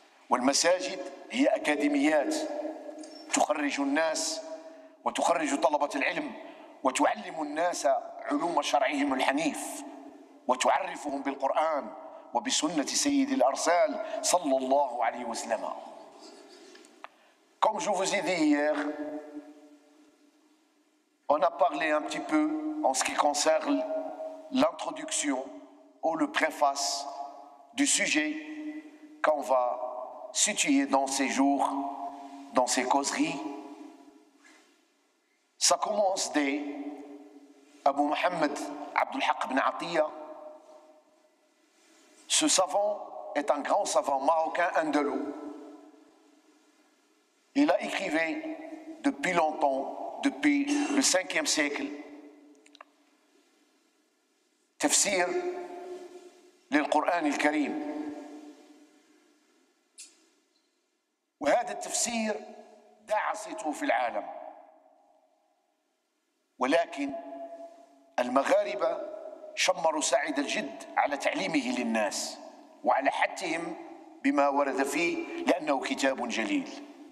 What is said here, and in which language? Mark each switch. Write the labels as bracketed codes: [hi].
[ar] والمساجد هي أكاديميات تخرج الناس وتخرج طلبة العلم، وتعلم الناس علوم شرعهم الحنيف، وتعرفهم بالقرآن وبسنة سيد الأرسال صلى الله عليه وسلم. كما رأيتم [fr] on a parlé un petit peu en ce qui concerne l'introduction ou le préface du sujet qu'on va situer dans ces jours, dans ces causeries. Ça commence dès Abu Mohammed Abdul Haq ibn Atiya. Ce savant est un grand savant marocain andalou. Il a écrit depuis longtemps, depuis le 5e siècle, tafsir du Coran al-Karim. [ar] وهذا التفسير دعا صيته في العالم، ولكن المغاربة شمروا ساعد الجد على تعليمه للناس وعلى حثهم بما ورد فيه، لأنه كتاب جليل.